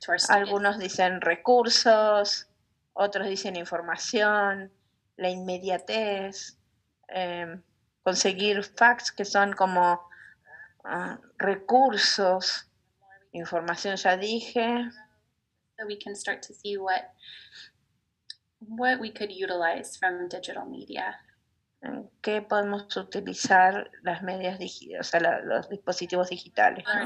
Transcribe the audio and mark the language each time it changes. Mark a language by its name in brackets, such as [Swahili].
[Spanish] Algunos dicen recursos, otros dicen información, la inmediatez, conseguir facts que son como recursos, información ya dije. [English] So we can start to see what we could utilize from digital media. [Spanish] ¿Qué podemos utilizar las medias digitales, o sea, la, los dispositivos digitales?